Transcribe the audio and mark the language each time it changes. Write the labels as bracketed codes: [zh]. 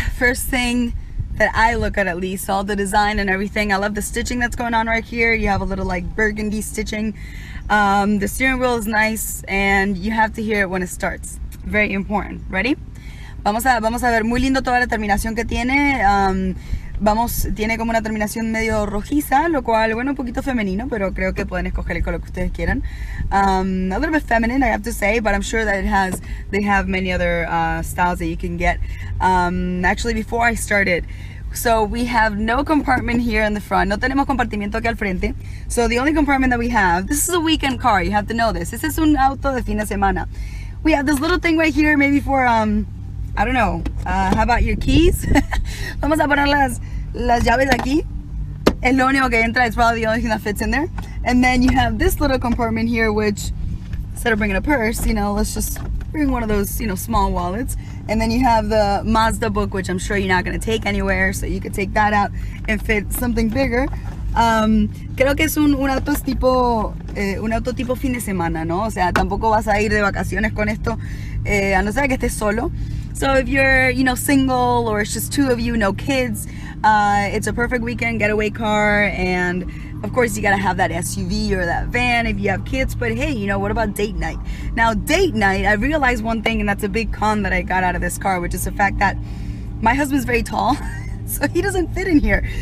[en] First thing that I look at least, all the design and everything. I love the stitching that's going on right here. You have a little like burgundy stitching. The steering wheel is nice, and you have to hear it when it starts. Very important. Ready? [es] Vamos a ver, muy lindo toda la terminación que tiene. Tiene como una terminación medio rojiza, lo cual, bueno, un poquito femenino, pero creo que pueden escoger el color que ustedes quieran. [en] A little bit feminine, I have to say, but I'm sure that they have many other styles that you can get. Actually, before I started, so we have no compartment here in the front. [es] No tenemos compartimiento aquí al frente. [en] So the only compartment that we have, this is a weekend car, you have to know this. This is [es] un auto de fin de semana. [en] We have this little thing right here, maybe for, I don't know, how about your keys? [es] Vamos a poner las llaves aquí. El único que entra [en] is probably the only thing that fits in there. And then you have this little compartment here, which, instead of bringing a purse, you know, let's just bring one of those, you know, small wallets. And then you have the Mazda book, which I'm sure you're not going to take anywhere, so you could take that out and fit something bigger. [es] Creo que es un auto tipo fin de semana, ¿no? O sea, tampoco vas a ir de vacaciones con esto, a no ser que estés solo. [en] So if you're, you know, single, or it's just two of you, no kids, it's a perfect weekend getaway car. And of course, you gotta have that SUV or that van if you have kids. But hey, you know, what about date night? Now, date night, I realized one thing, and that's a big con that I got out of this car, which is the fact that my husband's very tall, so he doesn't fit in here.